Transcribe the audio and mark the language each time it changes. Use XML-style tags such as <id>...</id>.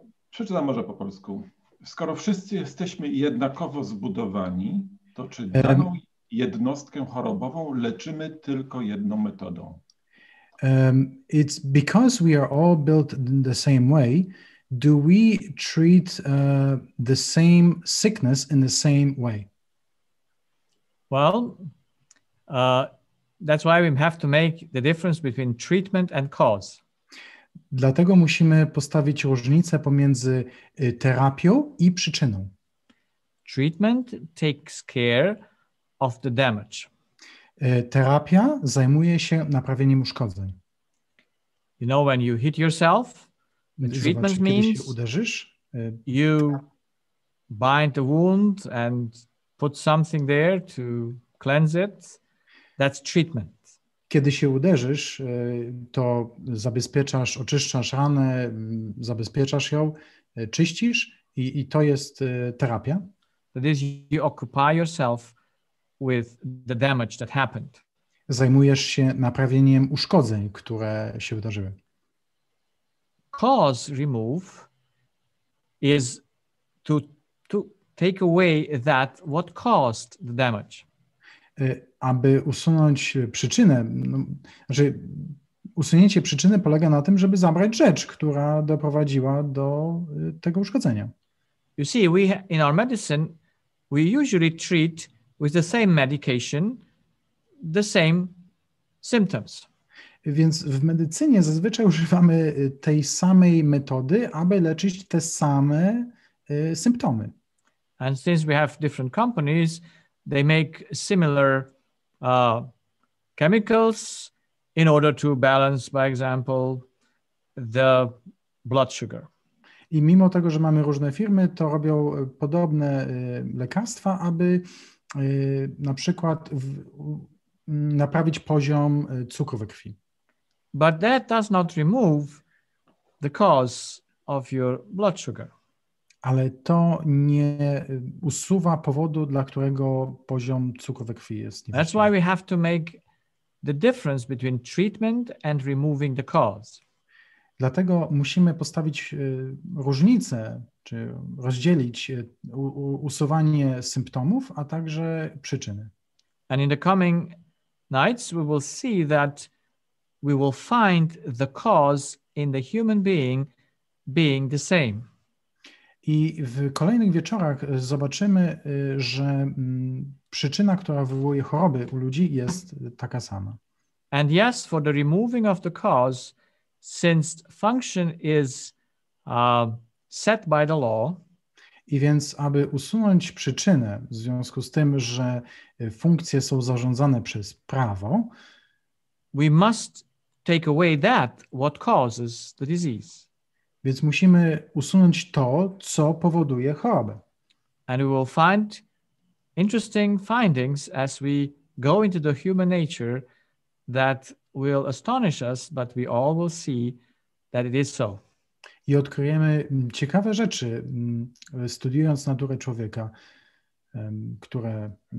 <pl>Przeczytam może po polsku. Skoro wszyscy jesteśmy jednakowo zbudowani, to czy jednostkę chorobową leczymy tylko jedną metodą.</pl> <en>It's because we are all built in the same way, do we treat the same sickness in the same way? Well, that's why we have to make the difference between treatment and cause.</en> <pl>Dlatego musimy postawić różnicę pomiędzy terapią i przyczyną.</pl> <en>Treatment takes care of the damage.</en> <pl>Terapia zajmuje się naprawieniem uszkodzeń.</pl> <en>You know, when you hit yourself, the treatment means</en> <pl>kiedy się uderzysz,</pl> <en>you bind the wound and put something there to cleanse it. That's treatment.</en> <pl>Kiedy się uderzysz, to zabezpieczasz, oczyszczasz ranę, zabezpieczasz ją, czyścisz i to jest terapia.</pl> <en>That is, you occupy yourself with the damage that happened.</en> <pl>Zajmujesz się naprawieniem uszkodzeń, które się wydarzyły.</pl> <en>Cause remove is to take away that what caused the damage.</en> <pl>Aby usunąć przyczynę, znaczy usunięcie przyczyny polega na tym, żeby zabrać rzecz, która doprowadziła do tego uszkodzenia.</pl> <en>You see, we in our medicine we usually treat with the same medication the same symptoms.</en> <pl>Więc w medycynie zazwyczaj używamy tej samej metody, aby leczyć te same symptomy.</pl> <en>And since we have different companies, they make similar chemicals in order to balance, by example, the blood sugar.</en> <pl>I mimo tego, że mamy różne firmy, to robią podobne lekarstwa, aby na przykład naprawić poziom cukru we krwi.</pl> <en>But that does not remove the cause of your blood sugar.</en> <pl>Ale to nie usuwa powodu, dla którego poziom cukru we krwi jest niewłaściwy.</pl> <en>That's why we have to make the difference between treatment and removing the cause.</en> <pl>Dlatego musimy postawić różnicę, czy rozdzielić usuwanie symptomów, a także przyczyny.</pl> <en>And in the coming nights we will see that we will find the cause in the human being being the same.</en> <pl>I w kolejnych wieczorach zobaczymy, że przyczyna, która wywołuje choroby u ludzi, jest taka sama.</pl> <en>And yes, for the removing of the cause, since function is set by the law.</en> <pl>I więc, aby usunąć przyczynę w związku z tym, że funkcje są zarządzane przez prawo,</pl> <en>we must take away that what causes the disease.</en> <pl>Więc musimy usunąć to, co powoduje chorobę.</pl> <en>And we will find interesting findings as we go into the human nature that will astonish us, but we all will see that it is so.</en> <pl>I odkryjemy ciekawe rzeczy, studiując naturę człowieka, które...</pl>